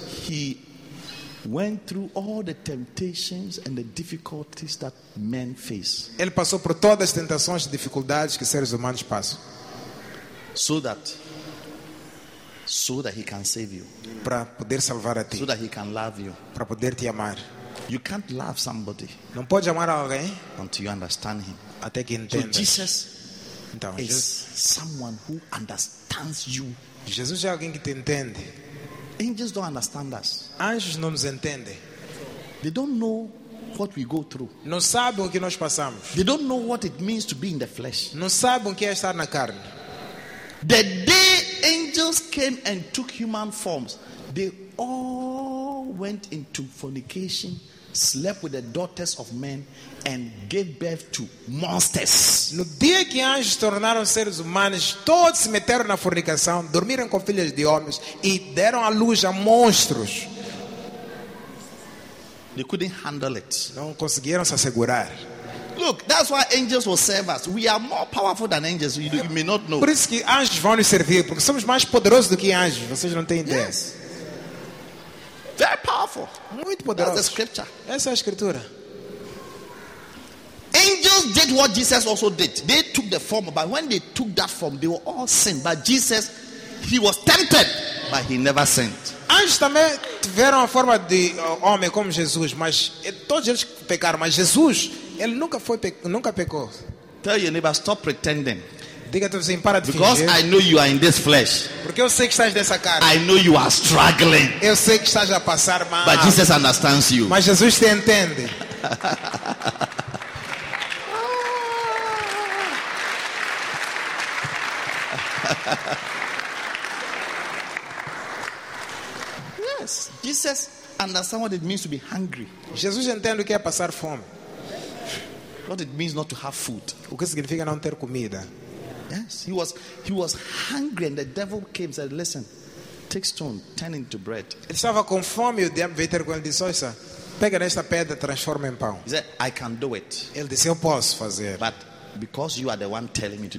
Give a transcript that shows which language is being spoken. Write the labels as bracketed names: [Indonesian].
[English] he went through all the temptations and the difficulties that men face. [Portuguese] Ele passou por todas as tentações e dificuldades que seres humanos passam. [English] So that he can save you. [Portuguese] Para poder salvar a ti. [English] So that he can love you. [Portuguese] Para poder te amar. [English] You can't love somebody. [Portuguese] Não pode amar alguém. [English] Until you understand him. [Portuguese] Até que entenda. [English] So Jesus, [Portuguese] então, [English] is [Portuguese] Jesus, [English] someone who understands you. [Portuguese] Jesus é alguém que te entende. [English] Angels don't understand us. [Portuguese] Anjos não nos entendem. [English] They don't know what we go through. [Portuguese] Não sabem o que nós passamos. [English] They don't know what it means to be in the flesh. [Portuguese] Não sabem o que é estar na carne. [English] The day angels came and took human forms, they all went into fornication, slept with the daughters of men and gave birth to monsters. [Portuguese] No dia que anjos tornaram seres humanos, todos se meteram na fornicação, dormiram com filhas de homens e deram à luz a monstros. [English] They couldn't handle it. [Portuguese] Não conseguiram se assegurar. [English] Look, that's why angels will serve us. We are more powerful than angels. You may not know. [Portuguese] Por isso que anjos vão nos servir, porque somos mais poderosos do que anjos. Vocês não têm ideia. [English] Yes. Very powerful. [Portuguese] Muito poderoso. [English] That's the scripture. [Portuguese] Essa é a escritura. [English] Angels did what Jesus also did. They took the form, but when they took that form, they were all sinned. But Jesus, he was tempted, but he never sinned. [Portuguese] Anjos também tiveram a forma de homem como Jesus, mas todos eles pecaram, mas Jesus, ele nunca pecou. [English] Tell your neighbor, stop pretending. [Portuguese] Diga para fingir. [English] Because I know you are in this flesh. [Portuguese] Porque eu sei que estás nessa carne. [English] I know you are struggling. [Portuguese] Eu sei que estás a passar mal. [English] But Jesus understands you. [Portuguese] Mas Jesus te entende. [English] Yes, Jesus understands what it means to be hungry. [Portuguese] Jesus entende o que é passar fome. [English] What it means not to have food. [Portuguese] O que significa não ter comida. [English] Yes, he was hungry, and the devil came and said, "Listen, take stone, turn into bread." [Portuguese] Ele estava com fome e o diabo veio ter com ele e disse, "Olha, pega esta pedra e transforma em pão." [English] He said, "I can do it." [Portuguese] Ele disse, "Eu posso fazer." [English] But because you are the one telling me to